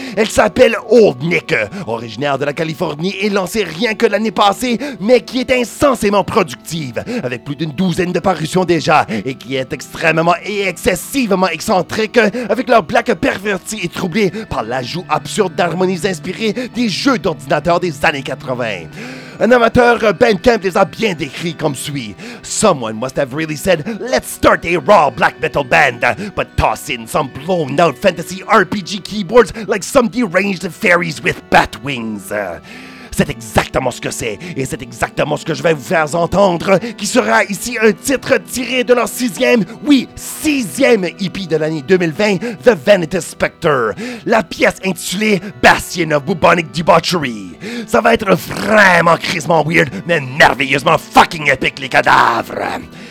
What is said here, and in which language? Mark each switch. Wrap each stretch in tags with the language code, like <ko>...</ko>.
<fr>Elle s'appelle Old Nick, originaire de la Californie et lancée rien que l'année passée, mais qui est insensément productive, avec plus d'une douzaine de parutions déjà, et qui est extrêmement et excessivement excentrique, avec leur black perverti et troublé par l'ajout absurde d'harmonies inspirées des jeux d'ordinateur des années 80. An amateur, Ben Kemp les a bien décrit comme suit.</fr> <en>Someone must have really said, let's start a raw black metal band, but toss in some blown out fantasy RPG keyboards like some deranged fairies with bat wings.</en> <fr>C'est exactement ce que c'est, et c'est exactement ce que je vais vous faire entendre, qui sera ici un titre tiré de leur sixième, oui, sixième EP de l'année 2020, The Vanity Spectre, la pièce intitulée Bastion of Bubonic Debauchery. Ça va être vraiment crissement weird, mais merveilleusement fucking épique, les cadavres!</fr>